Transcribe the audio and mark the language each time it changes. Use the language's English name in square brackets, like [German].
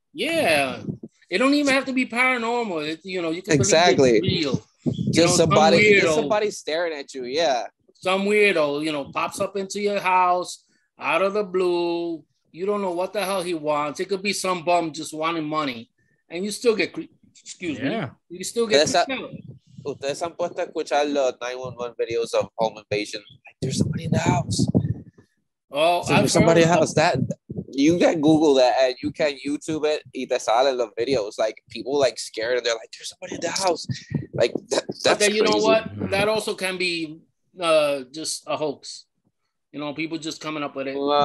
[English] Yeah. It don't even have to be paranormal. It, you know, you can exactly. Real. You just know, somebody some weirdo, just somebody staring at you. Yeah. Some weirdo, you know, pops up into your house out of the blue. You don't know what the hell he wants. It could be some bum just wanting money. And you still get, you still get killed. [Spanish] Ustedes han puesto a escuchar los 911 videos [English] of home invasion. Like, there's somebody in the house. Oh, there's somebody in the house. That, you can Google that and you can YouTube it. [Spanish] Y te salen los videos. [English] Like, people like scared and they're like, there's somebody in the house. Like, that's crazy. You know what? That also can be just a hoax. You know, people just coming up with it.